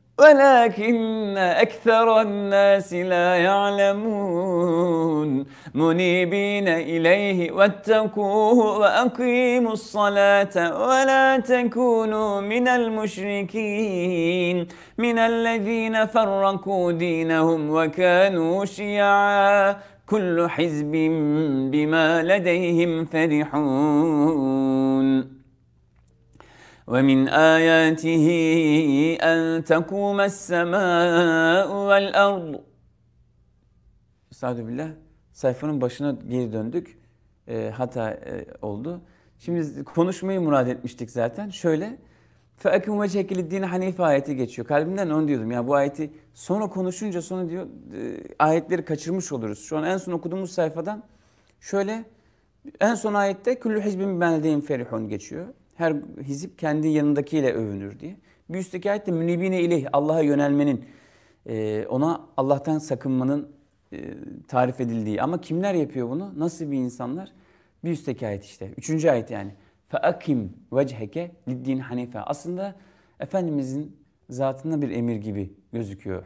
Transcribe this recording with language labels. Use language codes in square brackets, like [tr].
[ar] ولكن أكثر الناس لا يعلمون منيبين إليه واتقوه وأقيموا الصلاة ولا تكونوا من المشركين من الذين فرقوا دينهم وكانوا شيعا كل حزب بما لديهم فرحون ومن آياته أن تقوم السماء والأرض. [tr] Estağfurullah billah. Sayfanın başına geri döndük. Hata oldu. Şimdi konuşmayı murad etmiştik zaten. Şöyle. [ar] فَاَكُمْ وَجَهَكِ لِدِّينَ حَنِيفَ [tr] ayeti geçiyor. Kalbimden onu diyordum. Ya bu ayeti sonra konuşunca sonra diyor ayetleri kaçırmış oluruz. Şu an en son okuduğumuz sayfadan şöyle. En son ayette [ar] كُلُّ حِزْبٍ بَلْدَيْنْ فَرِحُونَ [tr] geçiyor. Her hizip kendi yanındakiyle övünür diye. Bir üstteki ayette münibine ileyh, Allah'a yönelmenin, ona Allah'tan sakınmanın tarif edildiği. Ama kimler yapıyor bunu? Nasıl bir insanlar? Bir üstteki ayet işte. Üçüncü ayet yani. [ar] فَاَقِمْ وَجْهَكَ لِدِّينِ حَنِيفًا [tr] Aslında Efendimizin zatında bir emir gibi gözüküyor.